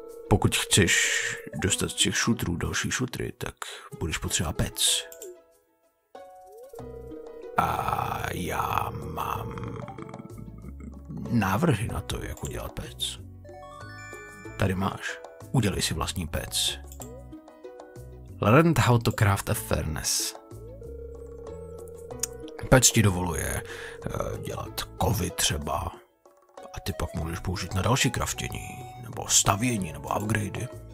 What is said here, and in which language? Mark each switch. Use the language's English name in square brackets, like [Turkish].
[Czech] Pokud chceš dostat z těch šutrů další šutry, tak budeš potřebovat pec. A já mám návrhy na to, jak udělat pec. Tady máš, udělej si vlastní pec. [English] Learned how to craft a furnace. [Czech] Pec ti dovoluje dělat kovy třeba a ty pak můžeš použít na další kraftění nebo stavění nebo upgrady.